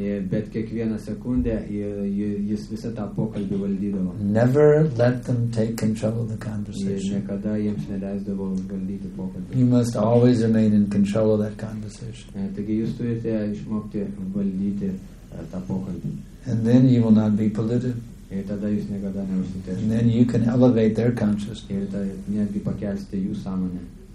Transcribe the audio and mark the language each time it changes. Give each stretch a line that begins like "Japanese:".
Lithuanian: Bet kiekvieną sekundę jis visą tą pokalbį valdydavo.
English: Never let them take control of the conversation.
Lithuanian: Niekada jiems neleisdavo valdyti pokalbį.
English: You must always remain in control of that conversation.
Lithuanian: Taigi jūs turite išmokti valdyti tą pokalbį.
English: And then you will not be polluted.
Lithuanian: Ir tada jūs niekada neužsiterštumėte.
English: And then you can elevate their consciousness.
Lithuanian: Ir tada netgi pakelsite jų sąmonę.